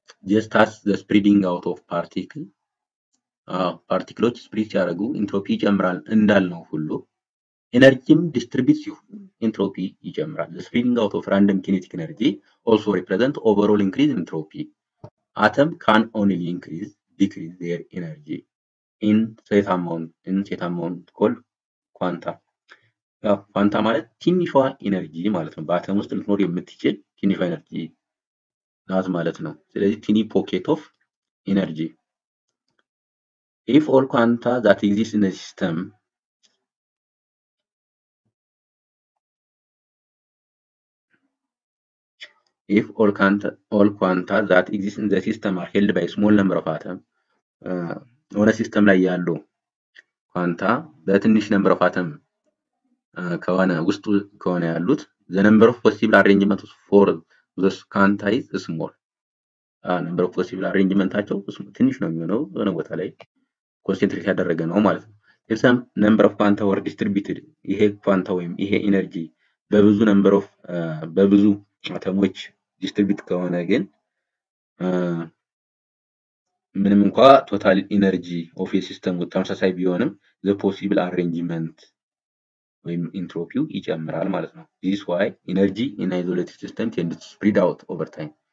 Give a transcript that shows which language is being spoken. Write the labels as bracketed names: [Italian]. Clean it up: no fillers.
[English] just as the spreading out of particle particles spread [Amharic] ሲያደርጉ ኢንትሮፒ ይጨምራል እንዳልነው ሁሉ ኤነርጂም ዲስትሪቢዩት ሲሆን ኢንትሮፒ ይጨምራል። [English] the spreading out of random kinetic energy also represent overall increase in entropy. atom can only increase decrease their energy in set amount called quanta. [Amharic] ያ quanta ማለት ትንሿ ኤነርጂ ማለት ነው። በአተም ውስጥ ልትኖር የምትችል ትንሿ ኤነርጂ ናት ማለት ነው። ስለዚህ [English] ቲኒ ፖኬት ኦፍ ኤነርጂ if all quanta that exist in the system if all quanta that exist in the system are held by small number of atoms [Amharic] ወደ ሲስተም ላይ ያሉ ኳንታ በትንሽ ነምበር ኦፍ አተም ከሆነ ውስጥ ከሆነ ያሉት [English] the number of possible arrangements for this quanta is small. [Amharic] number of possible arrangementsቸው ትንሽ ነው የሚሆነው ወደ ቦታ ላይ ኮንሰንትሬት ያደረገ ነው ማለት ነው። [English] if some number of quanta were distributed [Amharic] ይሄ ኳንታ ወይም ይሄ ኤነርጂ በብዙ number of በብዙ አተሞች ዲስትሪቢዩት ከሆነ ግን ምንም እንኳ ቶታል ኤነርጂ ኦፍ ኤ ሲስተም ተመሳሳይ ቢሆንም [English] ዘ ፖሲብል አሬንጅመንት [Amharic] ወይም ኢንትሮፒው ይጨምራል ማለት ነው። [English] this why energy in isolated system tend to spread out over time.